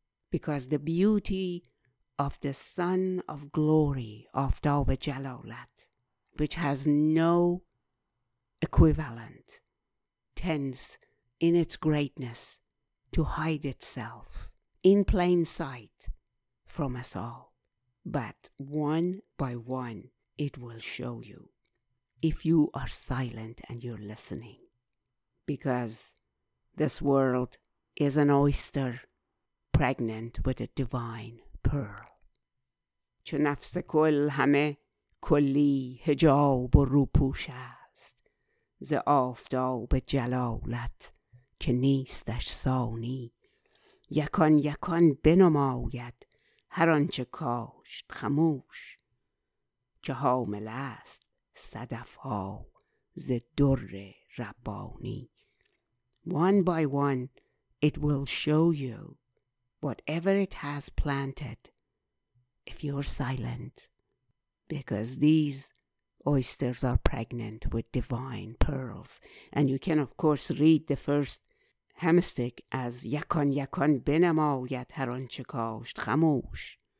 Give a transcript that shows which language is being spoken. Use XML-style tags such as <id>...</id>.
<en>Because the beauty of the Sun of Glory of Dawa Jalalat, which has no equivalent, tends in its greatness to hide itself in plain sight from us all. But one by one, it will show you if you are silent and you're listening. Because this world is an oyster pregnant with a divine pearl.</en> <fa>چو نفس کل همه کلی حجاب و روپوش است ز آفتاب جلالت که نیستش ثانی. یکان یکان بنماید هر آنچه کاشت خموش که حامل است صدف ها ز در ربانی.</fa> <en>One by one it will show you whatever it has planted if you're silent, because these oysters are pregnant with divine pearls. And you can of course read the first hemistich as</en> <fa>yakon yakon binamayat haran chekasht khamosh.</fa>